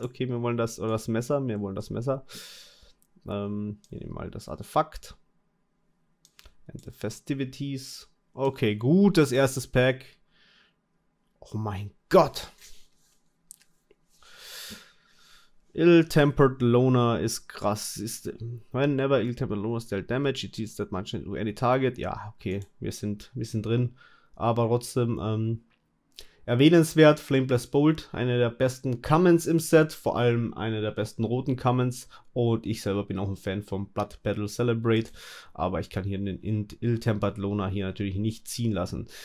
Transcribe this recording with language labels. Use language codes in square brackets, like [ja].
[de] Okay, wir wollen das. Oder das Messer. Wir wollen das Messer. Wir nehmen mal das Artefakt. End the Festivities. Okay, gut. Das erste Pack. Oh mein Gott. Ill-Tempered Loner ist krass. [en] Whenever Ill-Tempered Loners dealt damage, it deals that much to any target. [de] Ja, okay, wir sind drin. Aber trotzdem erwähnenswert, Flameless Bolt, eine der besten Commons im Set, vor allem eine der besten roten Commons. Und ich selber bin auch ein Fan von Blood Petal Celebrate. Aber ich kann hier den Ill-Tempered Loner hier natürlich nicht ziehen lassen.